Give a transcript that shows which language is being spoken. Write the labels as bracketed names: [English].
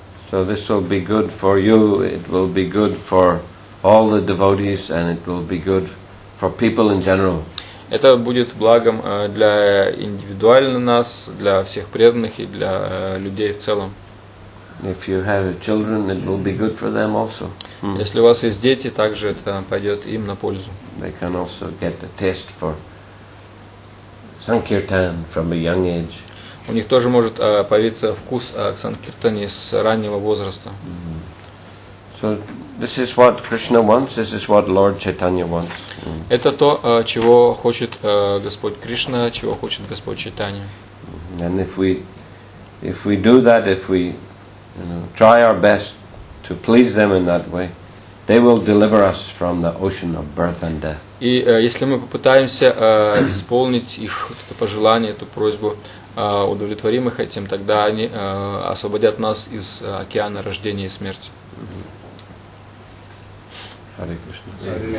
[English] So this will be good for you, it will be good for all the devotees, and it will be good for people in general. [Russian] Это будет благом для индивидуально нас, для всех преданных и для людей в целом. [English] If you have children, it will be good for them also. [Russian] Если у вас есть дети, также это пойдет им на пользу. [English] They can also get a taste for Sankirtan from a young age. [Russian] У них тоже может появиться вкус к Санкиртане с раннего возраста. [English] So this is what Krishna wants, this is what Lord Chaitanya wants. [Russian] Это то, чего хочет Господь Кришна, чего хочет Господь Чайтанья. [English] And if we do that, if we, you know, try our best to please them in that way, they will deliver us from the ocean of birth and death. [Russian] И если мы попытаемся исполнить их вот это пожелание, эту просьбу, удовлетворим их этим, тогда они освободят нас из океана рождения и смерти. [English] Hare Krishna.